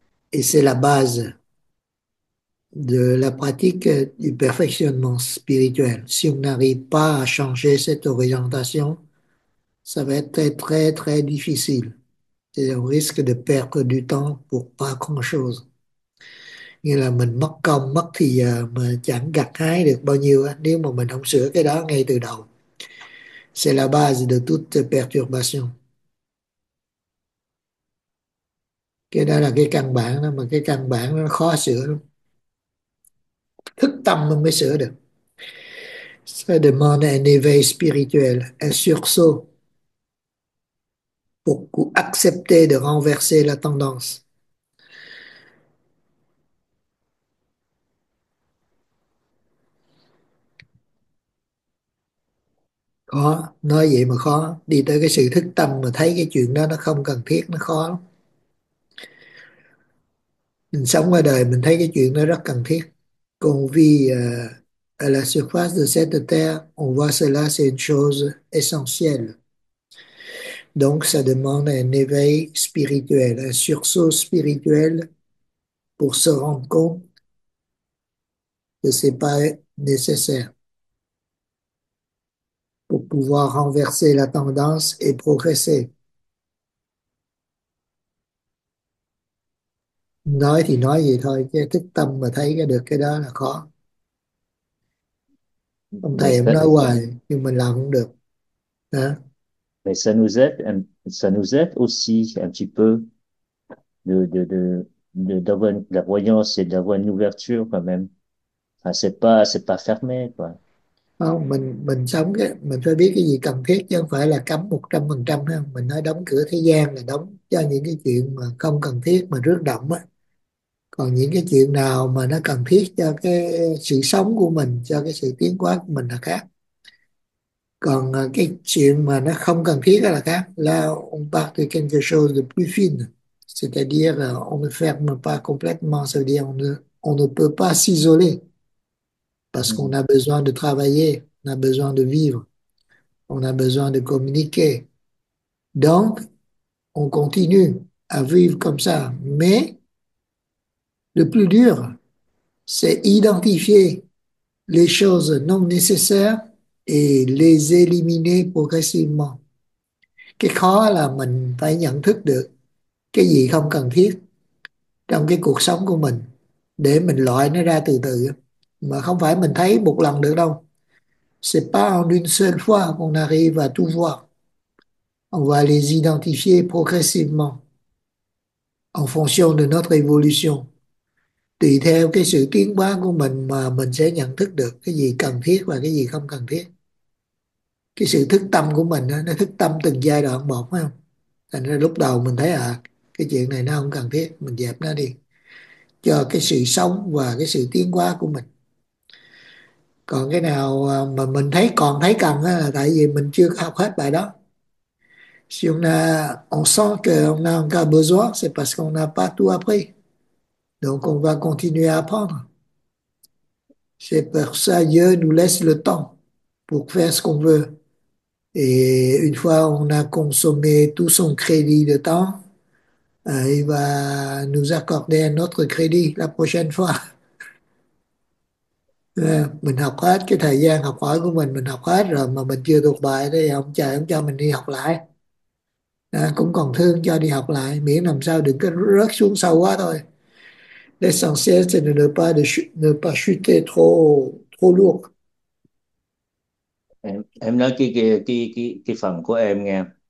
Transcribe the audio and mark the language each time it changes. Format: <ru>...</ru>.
<fr>Et c'est la base de la pratique du perfectionnement spirituel. Si on n'arrive pas à changer cette orientation, ça va être très, très, très difficile. Et on risque de perdre du temps pour pas grand-chose.</fr> <vi>Nghĩa là mình mất công, mất thì giờ mà chẳng gặt hái được bao nhiêu á, nếu mà mình không sửa cái đó ngay từ đầu.</vi> <fr>C'est la base de toute perturbation.</fr> <vi>Cái đó là cái căn bản đó, mà cái căn bản nó khó sửa lắm. Thức tâm mới sửa được.</vi> <fr>Ça demande un éveil spirituel, un sursaut pour accepter de renverser la tendance.</fr> <vi>Khó, nói vậy mà khó, đi tới cái sự thức tâm mà thấy cái chuyện đó nó không cần thiết, nó khó lắm. Mình sống qua đời mình thấy cái chuyện đó rất cần thiết. Còn vì</vi> <fr>à la surface de cette terre, on voit cela, c'est une chose essentielle. Donc, ça demande un éveil spirituel, un sursaut spirituel pour se rendre compte que ce n'est pas nécessaire pour pouvoir renverser la tendance et progresser.</fr> <vi>Nói thì nói vậy thôi, chứ thức tâm mà thấy cái được cái đó là khó. Ông</vi> <fr>Mais</fr> <vi>thầy em nói hoài, nhưng mình làm không được. Hả?</vi> <fr>ça nous aide aussi un petit peu d'avoir de la voyance et d'avoir une ouverture quand même. Enfin, c'est pas fermé, quoi.</fr> <vi>Không, mình sống cái mình phải biết cái gì cần thiết chứ không phải là cấm 100% ha. Mình nói đóng cửa thế gian là đóng cho những cái chuyện mà không cần thiết mà rước động á. Còn những cái chuyện nào mà nó cần thiết cho cái sự sống của mình, cho cái sự tiến hóa của mình là khác. Còn cái chuyện mà nó không cần thiết là khác.</vi> <fr>Là on part de quelque chose de plus fine. C'est-à-dire on ne ferme pas complètement, ça veut dire on ne peut pas s'isoler. Parce qu'on a besoin de travailler, on a besoin de vivre, on a besoin de communiquer. Donc, on continue à vivre comme ça. Mais le plus dur, c'est identifier les choses non nécessaires et les éliminer progressivement.</fr> <vi>Cái khó là mình phải nhận thức được cái gì không cần thiết trong cái cuộc sống của mình để mình loại nó ra từ từ. Mà không phải mình thấy một lần được đâu.</vi> <fr>C'est pas en une seule fois qu'on arrive à tout voir. On va les identifier progressivement en fonction de notre évolution.</fr> <vi>Tùy theo cái sự tiến hóa của mình mà mình sẽ nhận thức được cái gì cần thiết và cái gì không cần thiết. Cái sự thức tâm của mình nó thức tâm từng giai đoạn một, phải không? Thành ra lúc đầu mình thấy à, cái chuyện này nó không cần thiết, mình dẹp nó đi. Cho cái sự sống và cái sự tiến hóa của mình. Còn cái nào mà mình thấy còn thấy cần á là tại vì mình chưa học hết bài đó.</vi> <fr>Si on a, on sent que on a encore besoin, c'est parce qu'on n'a pas tout appris. Donc on va continuer à apprendre. C'est pour ça Dieu nous laisse le temps pour faire ce qu'on veut. Et une fois on a consommé tout son crédit de temps, il va nous accorder un autre crédit la prochaine fois.</fr> <vi>Mình học hết cái thời gian học hỏi của mình học hết rồi mà mình chưa thuộc bài thì ông trời ông cho mình đi học lại. À, cũng còn thương cho đi học lại, miễn làm sao đừng có rớt xuống sâu quá thôi.</vi> <fr>L'essentiel c'est de ne pas chuter trop lourd.</fr> <vi>Em nói cái phần của em nghe.</vi>